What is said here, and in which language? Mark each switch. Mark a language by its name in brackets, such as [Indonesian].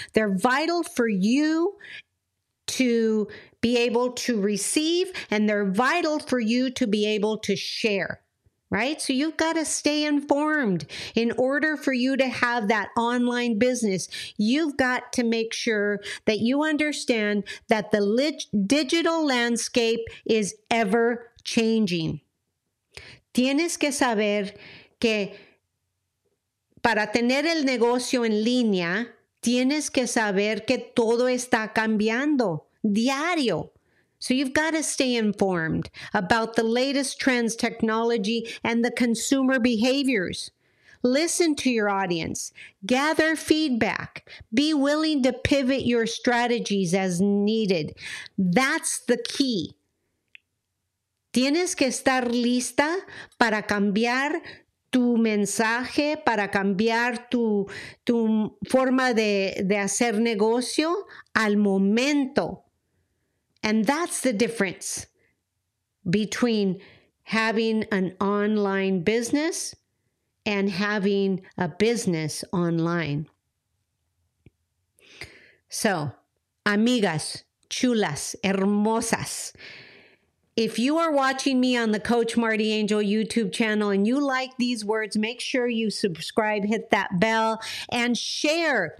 [English] They're vital for you to be able to receive, and they're vital for you to be able to share, right? So you've got to stay informed in order for you to have that online business. You've got to make sure that you understand that the digital landscape is ever changing. [Spanish] Tienes que saber que para tener el negocio en línea, tienes que saber que todo está cambiando. Diario. [English] So you've got to stay informed about the latest trends, technology, and the consumer behaviors. Listen to your audience. Gather feedback. Be willing to pivot your strategies as needed. That's the key. [Spanish] Tienes que estar lista para cambiar tu mensaje, para cambiar tu forma de hacer negocio al momento. [English] And that's the difference between having an online business and having a business online. So, [Spanish] amigas, chulas, hermosas, [English] if you are watching me on the Coach Marty Angel YouTube channel and you like these words, make sure you subscribe, hit that bell, and share.